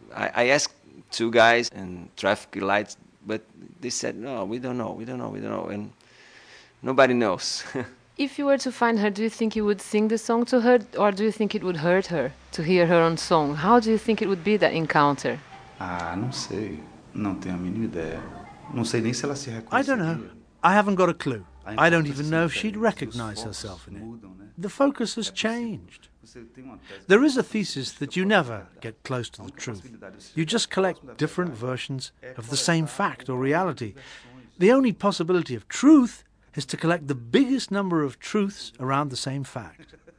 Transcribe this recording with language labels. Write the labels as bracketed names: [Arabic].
[English] I asked two guys and traffic lights, but they said, no, we don't know, and nobody knows. If you were to find her, do you think you would sing the song to her, or do you think it would hurt her to hear her own song? How do you think it would be, that encounter? [Portuguese] Não sei, não tenho a mínima ideia. [English] I don't know. I haven't got a clue. I don't even know if she'd recognize herself in it. The focus has changed. There is a thesis that you never get close to the truth. You just collect different versions of the same fact or reality. The only possibility of truth is to collect the biggest number of truths around the same fact.